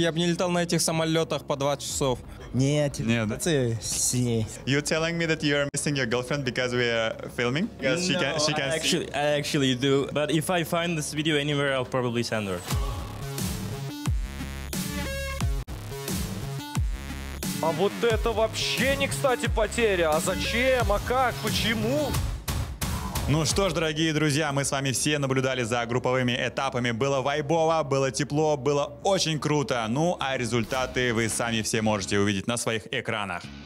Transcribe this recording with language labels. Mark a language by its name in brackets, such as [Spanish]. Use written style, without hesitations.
[Russian] Я бы не летал на этих самолетах по 20 часов. Нет, телепортация сильнее. [English] You're telling me that you're missing your girlfriend because we are filming? No, I actually do. But if I find this video anywhere, I'll probably send her. [Russian] А вот это вообще не кстати потеря. А зачем? А как? Почему? Ну что ж, дорогие друзья, мы с вами все наблюдали за групповыми этапами. Было вайбово, было тепло, было очень круто. Ну а результаты вы сами все можете увидеть на своих экранах.